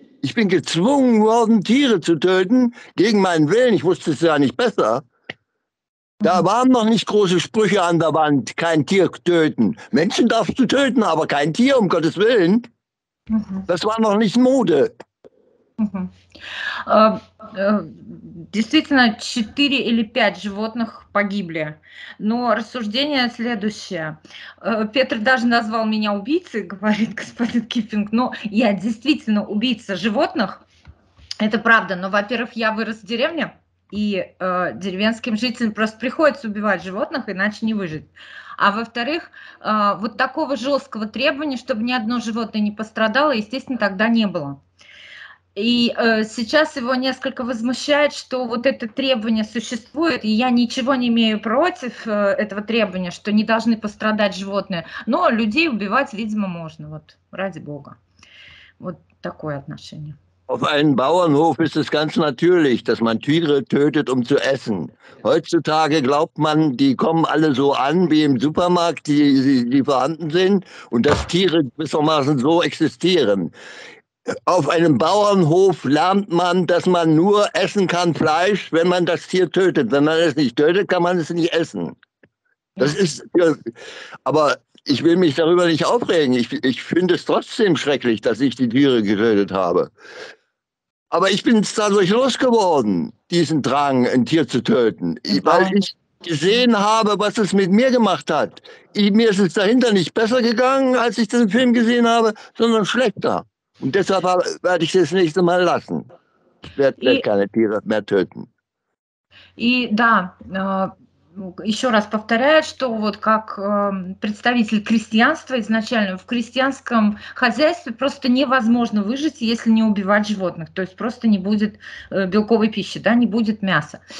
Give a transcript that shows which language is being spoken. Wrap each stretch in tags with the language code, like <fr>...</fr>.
<de>Ich bin gezwungen worden, Tiere zu töten, gegen meinen Willen. Ich wusste es ja nicht besser. Da waren noch nicht große Sprüche an der Wand, kein Tier töten. Menschen darfst du töten, aber kein Tier, um Gottes Willen. Das war noch nicht Mode.</de> <ru>Действительно, 4 или 5 животных погибли. Но рассуждение следующее. Петр даже назвал меня убийцей, говорит господин Киппинг. Но я действительно убийца животных. Это правда. Но, во-первых, я вырос в деревне. И деревенским жителям просто приходится убивать животных, иначе не выжить. А во-вторых, вот такого жесткого требования, чтобы ни одно животное не пострадало, естественно, тогда не было. И сейчас его несколько возмущает, что вот это требование существует, и я ничего не имею против этого требования, что не должны пострадать животные, но людей убивать, видимо, можно, вот, ради бога. Вот такое отношение.</ru> <de>Auf einem Bauernhof ist es ganz natürlich, dass man Tiere tötet, um zu essen. Heutzutage glaubt man, die kommen alle so an wie im Supermarkt, die vorhanden sind, und dass Tiere gewissermaßen so existieren. Auf einem Bauernhof lernt man, dass man nur essen kann Fleisch, wenn man das Tier tötet. Wenn man es nicht tötet, kann man es nicht essen. Das ist, aber ich will mich darüber nicht aufregen. Ich finde es trotzdem schrecklich, dass ich die Tiere getötet habe. Aber ich bin es dadurch losgeworden, diesen Drang, ein Tier zu töten, weil ich gesehen habe, was es mit mir gemacht hat. Mir ist es dahinter nicht besser gegangen, als ich den Film gesehen habe, sondern schlechter. Und deshalb werde ich es das nächste Mal lassen. Ich werde keine Tiere mehr töten.</de> <ru>Еще раз повторяю, что вот как представитель крестьянства изначально, в крестьянском хозяйстве просто невозможно выжить, если не убивать животных. То есть просто не будет белковой пищи, да, не будет мяса.</ru>